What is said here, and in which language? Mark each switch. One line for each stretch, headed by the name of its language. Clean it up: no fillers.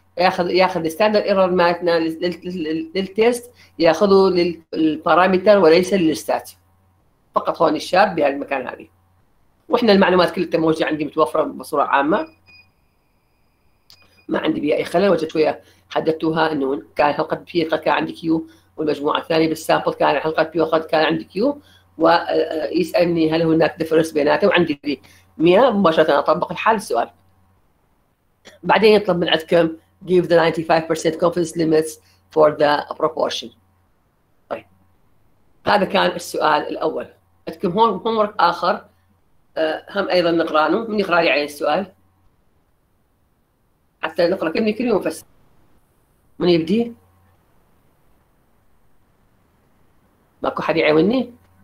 Arabic: ياخذ ستاندرد ايرور مالتنا للتيست ياخذه للبارامتر وليس للستات، فقط هون الشاب بهالمكان هذه، واحنا المعلومات كلها موجوده عندي متوفره بصوره عامه، ما عندي بها اي خلل. وجدت شويه حددتوها انه كان حلقه بي كان عندي كيو، والمجموعه الثانيه بالسامبل كان حلقه بي كان عندي كيو، ويسالني هل هناك ديفرنس بيناتهم، وعندي 100 مباشره اطبق الحال السؤال. بعدين يطلب من عندكم
English: give the 95% confidence limits for the proportion.
Arabic: طيب هذا كان السؤال الاول. عندكم هون homework اخر هم ايضا نقرانه، من يقرا لي عليه السؤال؟ حتى نقرا كلمه كل يوم. بس من يبدي؟ ماكو حد يعاوني؟